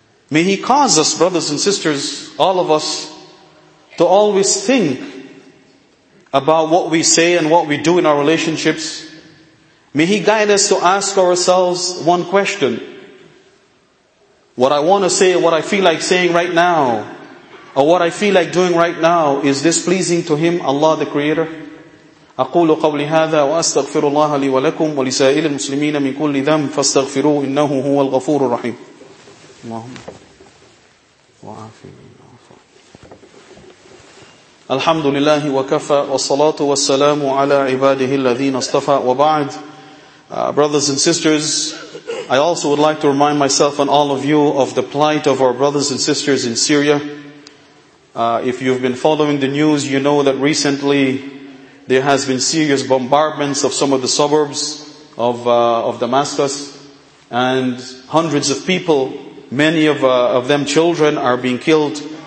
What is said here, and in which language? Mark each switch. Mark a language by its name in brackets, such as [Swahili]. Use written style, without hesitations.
[English] May He cause us, brothers and sisters, all of us, to always think about what we say and what we do in our relationships. May He guide us to ask ourselves one question. What I want to say, what I feel like saying right now, or what I feel like doing right now, is this pleasing to Him, Allah the Creator? [Arabic] أقول قولي هذا وأستغفر الله لي ولكم ولسائر المسلمين من كل ذنب فاستغفروه إنه هو الغفور الرحيم. اللهم وعافينا. الحمد لله وكفى والصلاة والسلام على عباده الذين اصطفى وبعد. [English] Brothers and sisters, I also would like to remind myself and all of you of the plight of our brothers and sisters in Syria. If you've been following the news, you know that recently there has been serious bombardments of some of the suburbs of Damascus, and hundreds of people, many of them children, are being killed.